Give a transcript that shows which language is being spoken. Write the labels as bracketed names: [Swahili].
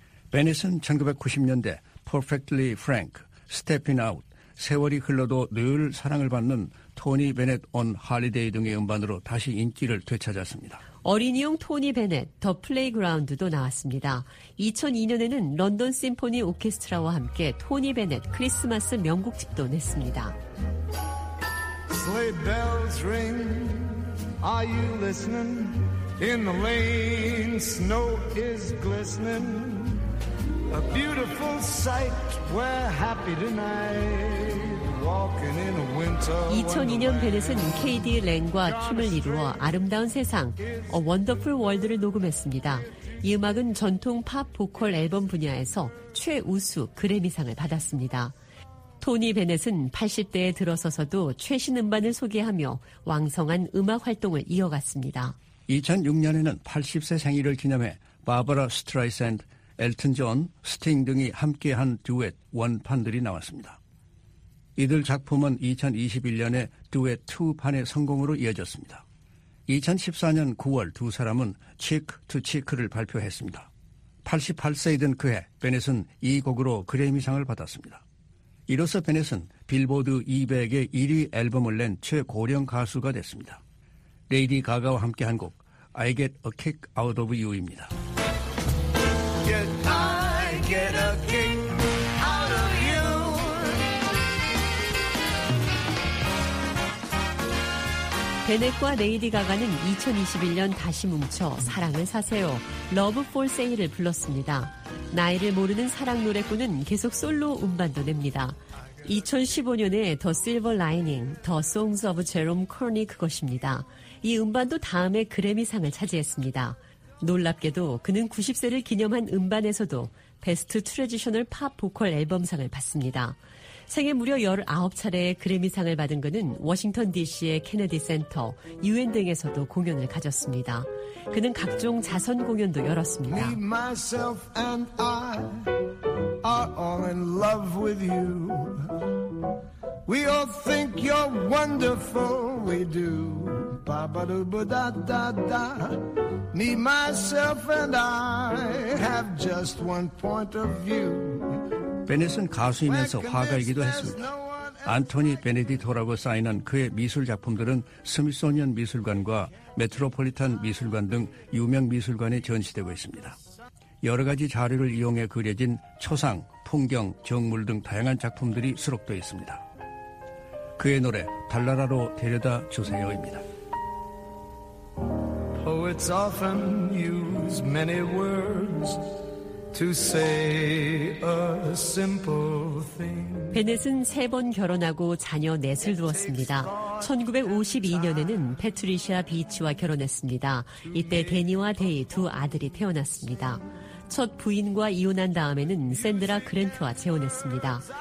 [Korean] 베넷은 1990년대 Perfectly Frank, Stepping Out, 세월이 흘러도 늘 사랑을 받는 토니 베넷 온 할리데이 등의 음반으로 다시 인기를 되찾았습니다. 어린이용 토니 베넷, 더 플레이그라운드도 나왔습니다. 2002년에는 런던 심포니 오케스트라와 함께 토니 베넷 크리스마스 명곡집도 냈습니다. [English] Sleigh bells ring, are you listening? In the lane, snow is glistening. A beautiful sight, we're happy tonight. Walking in a winter. [Korean] 2002년 베넷은 KD 랭과 팀을 이루어 아름다운 세상, A Wonderful World를 녹음했습니다. 이 음악은 전통 팝 보컬 앨범 분야에서 최우수 그래미상을 받았습니다. 토니 베넷은 80대에 들어서서도 최신 음반을 소개하며 왕성한 음악 활동을 이어갔습니다. 2006년에는 80세 생일을 기념해 바버라 스트라이샌드, 엘튼 존, 스팅 등이 함께한 듀엣 원판들이 나왔습니다. 이들 작품은 2021년에 듀엣 2판의 성공으로 이어졌습니다. 2014년 9월 두 사람은 치크 투 치크를 발표했습니다. 88세이 된 그해 베넷은 이 곡으로 그래미상을 받았습니다. 이로써 베넷은 빌보드 200의 1위 앨범을 낸 최고령 가수가 됐습니다. 레이디 가가와 함께한 곡 I Get a Kick Out of You입니다. [English] I get a kick out of you. [Korean] Bennett과 레이디 가가는 2021년 다시 뭉쳐 사랑을 사세요, Love for Sale을 불렀습니다. 나이를 모르는 사랑 노래꾼은 계속 솔로 음반도 냅니다. 2015년에 The Silver Lining, The Songs of Jerome Kern이 그것입니다. 이 음반도 다음에 그래미상을 차지했습니다. 놀랍게도 그는 90세를 기념한 음반에서도 베스트 트래디셔널 팝 보컬 앨범상을 받습니다. 생애 무려 19차례의 그래미상을 받은 그는 워싱턴 DC의 케네디 센터, UN 등에서도 공연을 가졌습니다. 그는 각종 자선 공연도 열었습니다. [English] Me, myself and I are all in love with you. We all think you're wonderful, we do. Ba-ba-do-ba-da-da-da. Me, myself and I have just one point of view. [Korean] 베넷은 가수이면서 화가이기도 했습니다. 안토니 베네디토라고 사인한 그의 미술 작품들은 스미소니언 미술관과 메트로폴리탄 미술관 등 유명 미술관에 전시되고 있습니다. 여러 가지 자료를 이용해 그려진 초상, 풍경, 정물 등 다양한 작품들이 수록되어 있습니다. 그의 노래 달나라로 데려다 주세요입니다. [English] Poets often use many words to say a simple thing. [Korean] 베넷은 세 번 결혼하고 자녀 넷을 두었습니다. 1952년에는 패트리시아 비치와 결혼했습니다. 이때 데니와 데이 두 아들이 태어났습니다. 첫 부인과 이혼한 다음에는 샌드라 그랜트와 재혼했습니다.